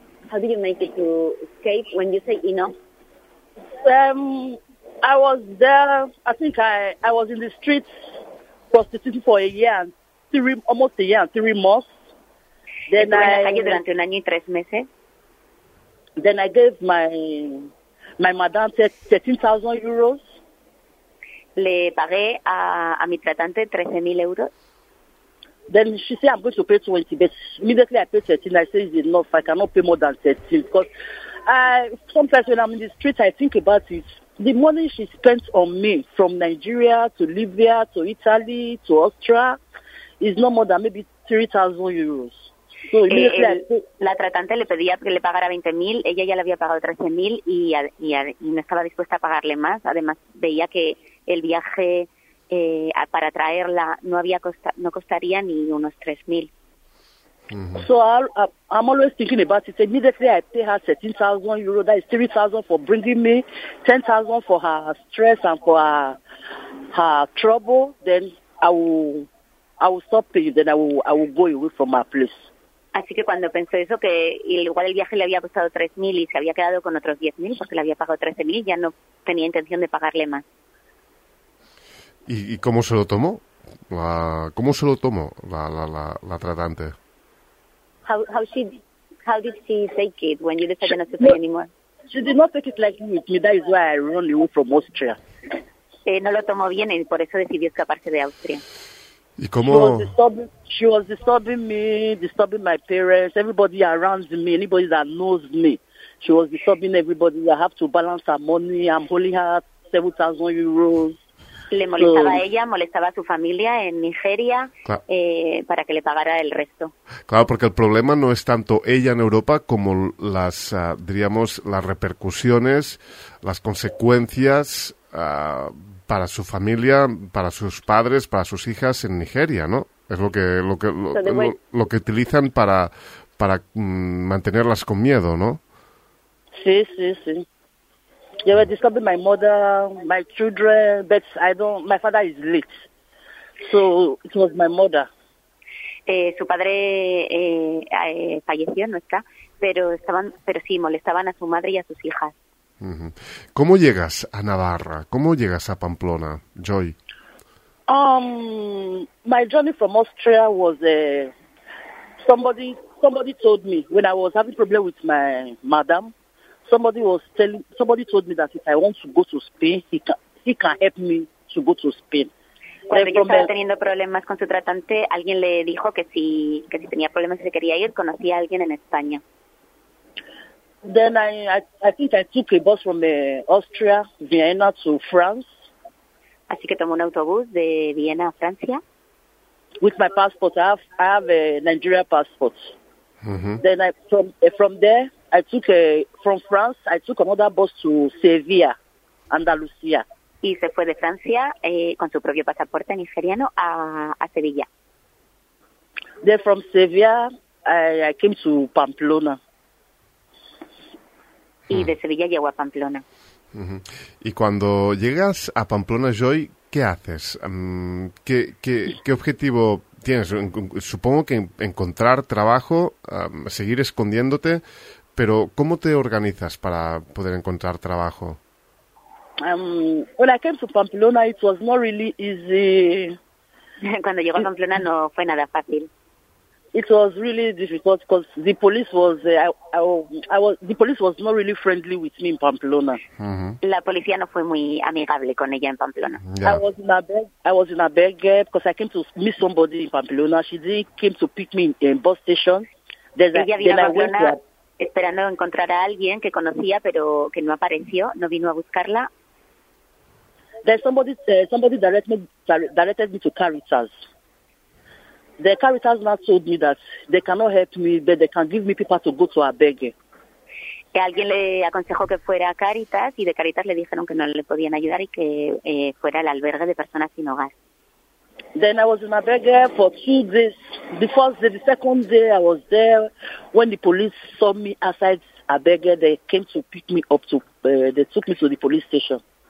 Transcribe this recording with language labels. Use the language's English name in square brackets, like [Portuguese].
[English] How do you make it to escape when you say enough? I was there. I think I was in the streets prostituting for almost a year, three months. Then I [Spanish] durante un año y tres meses. [English] Then I gave my madame 13,000 euros. [Spanish] Le pagué a mi tratante 13,000 euros. [English] Then she said, I'm going to pay 20, but immediately I pay 13. I say, it's enough. I cannot pay more than 13. Because sometimes when I'm in the street, I think about it. The money she spent on me from Nigeria to Libya to Italy to Austria is no more than maybe 3,000 euros. So immediately [Spanish] la tratante le pedía que le pagara 20,000. Ella ya le había pagado 13,000 y no estaba dispuesta a pagarle más. Además, veía que el viaje para traerla no costaría ni unos 3,000. Mm-hmm. [English] So I'm always thinking about it. Immediately I pay her 13,000 euros. That is 3,000 for bringing me, 10,000 for her stress and for her trouble. Then I will stop paying. Then I will go away from my place. [Spanish] Así que cuando pensó eso, que igual el viaje le había costado 3,000 y se había quedado con otros 10,000 porque le había pagado 13,000, ya no tenía intención de pagarle más. ¿Y cómo se lo tomó? ¿Cómo se lo tomó la tratante? [English] How did she take it when you decided not to pay anymore? She did not take it like me. That is why I run away from Austria. [Spanish] No lo tomó bien y por eso decidió escaparse de Austria. ¿Y cómo? [English] She was disturbing me, disturbing my parents, everybody around me, anybody that knows me. She was disturbing everybody. I have to balance her money. I'm holding her 7,000 euros. [Spanish] Le molestaba a ella, molestaba a su familia en Nigeria, claro. Para que le pagara el resto. Claro, porque el problema no es tanto ella en Europa como las, diríamos, las repercusiones, las consecuencias para su familia, para sus padres, para sus hijas en Nigeria, ¿no? Es lo que utilizan para mantenerlas con miedo, ¿no? Sí, sí, sí. [English] They were disturbing my mother, my children, but my father is late. So it was my mother. [Spanish] Su padre falleció, no está, pero sí, molestaban a su madre y a sus hijas. ¿Cómo llegas a Navarra? ¿Cómo llegas a Pamplona, Joy? [English] My journey from Austria was somebody told me when I was having a problem with my madam. Somebody told me that if I want to go to Spain, he can help me to go to Spain. [Spanish] Cuando yo estaba teniendo problemas con su tratante, alguien le dijo que si tenía problemas y se quería ir, conocía a alguien en España. [English] Then I think I took a bus from Austria, Vienna to France. [Spanish] Así que tomó un autobús de Viena a Francia. [English] With my passport, I have a Nigeria passport. Mm-hmm. Then from France I took another bus to Sevilla, Andalucía. [Spanish] Y se fue de Francia con su propio pasaporte nigeriano a Sevilla. [English] Then from Sevilla I came to Pamplona. [Spanish] Y de Sevilla llegó a Pamplona. Y cuando llegas a Pamplona, Joy, ¿qué haces? ¿Qué objetivo tienes? Supongo que encontrar trabajo, seguir escondiéndote, pero ¿cómo te organizas para poder encontrar trabajo? [English] When I came to Pamplona, it was not really easy. [Spanish] Cuando llegó a Pamplona no fue nada fácil. [English] It was really difficult because the police was not really friendly with me in Pamplona. Mm-hmm. [Spanish] La policía no fue muy amigable con ella en Pamplona. Yeah. [English] I was in a bag because I came to meet somebody in Pamplona. She came to pick me in bus station. [Spanish] Ella vino a Pamplona esperando encontrar a alguien que conocía, pero que no apareció, no vino a buscarla. [English] There's somebody directed me to Caritas. The Caritas man told me that they cannot help me, but they can give me people to go to a beggar. [Spanish] Que alguien le aconsejó que fuera a Caritas y de Caritas le dijeron que no le podían ayudar y que fuera al albergue de personas sin hogar. [English] Then I was in a beggar for 2 days. The first day, the second day I was there, when the police saw me outside a beggar, they came to pick me up to, they took me to the police station.